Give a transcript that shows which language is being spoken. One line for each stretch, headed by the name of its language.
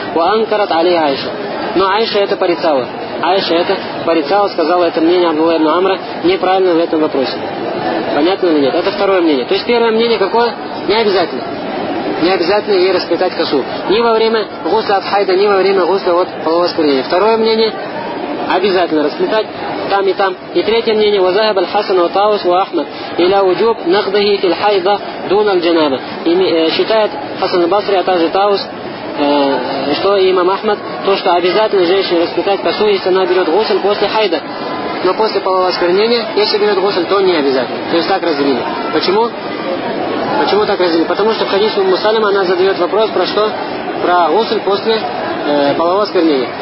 Arabic: Ва анкарат али Айша.
Russian: Но Айша это порицала. Айша это порицала, сказала, это мнение Абдулла ибн Амра неправильно в этом вопросе. Понятно или нет? Это второе мнение. То есть первое мнение какое? Не обязательно. Не обязательно ей расплетать косу. Ни во время гусля от хайда, ни во время гусля от полового осквернения. Второе мнение, обязательно расплетать там и там. И третье мнение,
Arabic: وَذَهَبَ الْحَسَنُ وَطَاوُسُ وَأَحْمَدُ إِلَى وُجُوبِ نَقْدِهِ فِي الْحَيْضَ دُونَ الْجَنَابَةِ.
Russian: Считает Хасан аль-Басри, а также Таус, что имам Ахмад, то, что обязательно женщине расплетать косу, если она берет гусль после хайда. Но после полового осквернения, если берет гусль, то не обязательно. То есть так разделили. Почему? Почему так разделили? Потому что в хадисе Умму Салима она задает вопрос про что? Про гусль после полового осквернения.